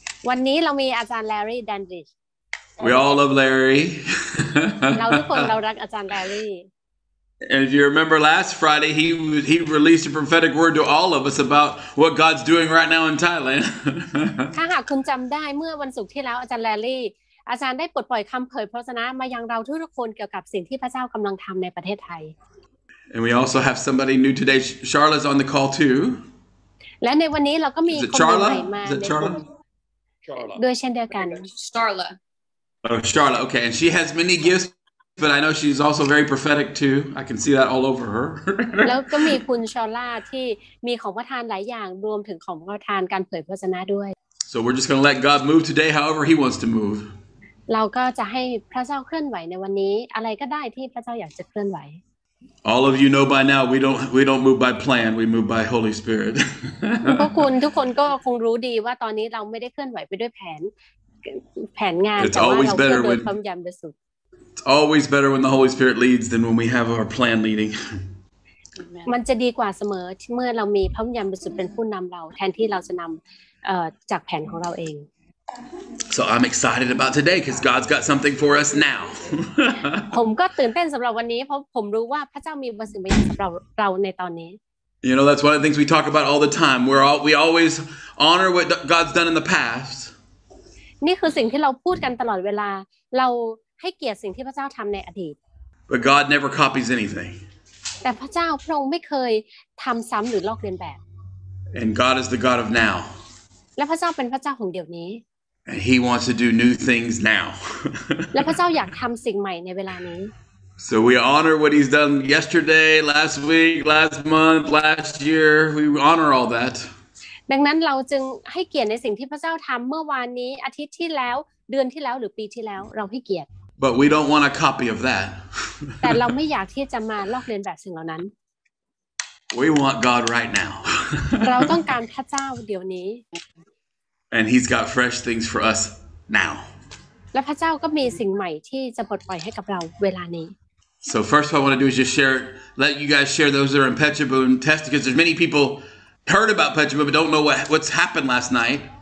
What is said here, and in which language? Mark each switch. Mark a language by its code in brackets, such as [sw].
[th] วันนี้เรามีอาจารย์แลรี่ดันดริจ [en] We all love Larry [th] เราทุกคนเรารักอาจารย์แลรี่ [en] And if you remember last Friday he released a prophetic word to all of us about what God's doing right now in Thailand [th] ถ้าหากคุณจำได้เมื่อวันศุกร์ที่แล้วอาจารย์แลรี่อาจารย์ได้ปลดปล่อยคำเผยพระวจนะมายังเราทุกคนเกี่ยวกับสิ่งที่พระเจ้ากำลังทำในประเทศไทย [en] And we also have somebody new today Charlotte's on the call too [th] และในวันนี้เราก็มีคนใหม่มา [en] Charla. Charla, okay. And she has many gifts, but I know she's also very prophetic too. I can see that all over her. [th] แล้วก็มีคุณชาร์ล่าที่มีของประทานหลายอย่างรวมถึงของประทานการเผยพระวจนะด้วย [en] So we're just going to let God move today however he wants to move. [th] เราก็จะให้พระเจ้าเคลื่อนไหวในวันนี้อะไรก็ได้ที่พระเจ้าอยากจะเคลื่อนไหว [en] All of you know by now we don't move by plan we move by Holy Spirit. [th] พวกคุณทุกคนก็คงรู้ดีว่าตอนนี้เราไม่ได้เคลื่อนไหวไปด้วยแผนงาน [en] It's always better when [th] พระวิญญาณบริสุทธิ์ [en] It's always better when the Holy Spirit leads than when we have our plan leading. [th] มันจะดีกว่าเสมอเมื่อเรามีพระวิญญาณบริสุทธิ์เป็นผู้นำเราแทนที่เราจะนำจากแผนของเราเอง [en] So I'm excited about today because God's got something for us now. [th] ผมก็ตื่นเต้นสำหรับวันนี้เพราะผมรู้ว่าพระเจ้ามีบางสิ่งบางอย่างสำหรับเราในตอนนี้ [en] You know that's one of the things we talk about all the time. We always honor what God's done in the past. [th] นี่คือสิ่งที่เราพูดกันตลอดเวลาเราให้เกียรติสิ่งที่พระเจ้าทำในอดีต [en] But God never copies anything. [th] แต่พระเจ้าพระองค์ไม่เคยทำซ้ำหรือลอกเลียนแบบ [en] And God is the God of now. [th] และพระเจ้าเป็นพระเจ้าของเดี๋ยวนี้ [en] And he wants to do new things now. [th] แล้วพระเจ้าอยากทำสิ่งใหม่ในเวลานี้ [en] So we honor what he's done yesterday, last week, last month, last year. We honor all that. [th] ดังนั้นเราจึงให้เกียรติในสิ่งที่พระเจ้าทำเมื่อวานนี้อาทิตย์ที่แล้วเดือนที่แล้วหรือปีที่แล้วเราให้เกียรติ [en] But we don't want a copy of that. [th] แต่เราไม่อยากที่จะมาลอกเลียนแบบสิ่งเหล่านั้น [en] We want God right now. [th] เราต้องการพระเจ้าเดี๋ยวนี้ [en] And he's got fresh things for us now. [th] และพระเจ้าก็มีสิ่งใหม่ที่จะปลดปล่อยให้กับเราเวลานี้ [en] So first what I want to do is just share, let you guys share those that are in Petchaboon test, because there's many people heard about Petchaboon but don't know what's happened last night.